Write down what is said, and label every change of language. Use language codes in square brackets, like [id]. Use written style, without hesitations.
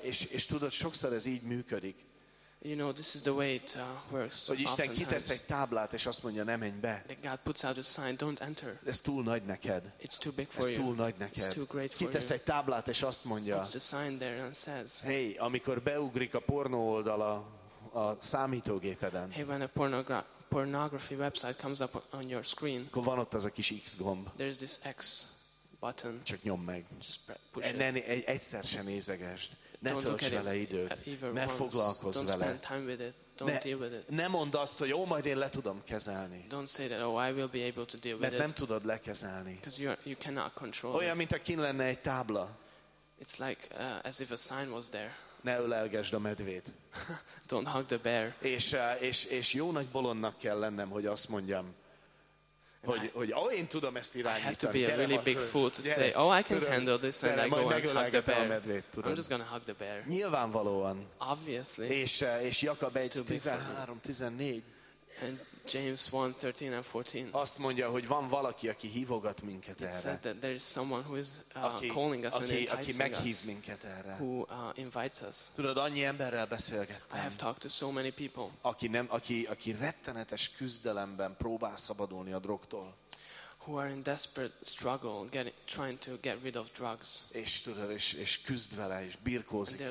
[hu] És tudod, sokszor ez így működik. [en] You know, this is the way it works. [hu] Hogy Isten kitesz egy táblát, és azt mondja, ne menj be. [en] God puts out a sign, don't enter. [hu] Ez túl nagy neked. [en] It's too big for you. [hu] Ez túl nagy neked. [en] It's too great for you. [hu] Kitesz egy táblát, és azt mondja. [en] Puts the sign there and says. [hu] Hey, amikor beugrik a pornó oldala a számítógépeden. [en] Hey, when a pornography website comes up on your screen. [hu] Akkor van ott az a kis X gomb. [en] There's this X button. [hu] Csak nyomd meg. [en] Just push it. [hu] Egyszer se nézegesd. Ne töltsd vele időt, ne foglalkozz [en] don't [hu] vele. [en] Don't spend time with it. Don't deal with it. [hu] Ne mondd azt, hogy majd én le tudom kezelni. [en] Don't say that, I will be able to deal with it. [hu] Mert nem tudod lekezelni. [en] Because you cannot control. [hu] Olyan, mint ha kint lenne egy tábla. [en] It's like as if a sign was there. [hu] Ne ölelgesd a medvét. [en] Don't hug the bear. [hu] És jó nagy bolondnak kell lennem, hogy azt mondjam. Hogy én tudom ezt irányítani. [en] I have to be a really big fool to say, I can handle this and I go and hug the bear. I'm just gonna hug the bear. [hu] Nyilvánvalóan. [en] Obviously. [hu] És Jakab 1:13-14. [en] And James 1:13-14. [hu] Azt mondja, hogy van valaki, aki hívogat minket erre. [en] It says that there is someone who is calling us and enticing us. [hu] Aki meghív minket erre. [en] Who invites us. [hu] Tudod, annyi emberrel beszélgettem. [en] I have talked to so many people. [hu] Aki rettenetes küzdelemben próbál szabadulni a drogtól. [en] Who are in desperate struggle, trying to get rid of drugs. [hu] És tudod, és küzd vele, és birkózik vele.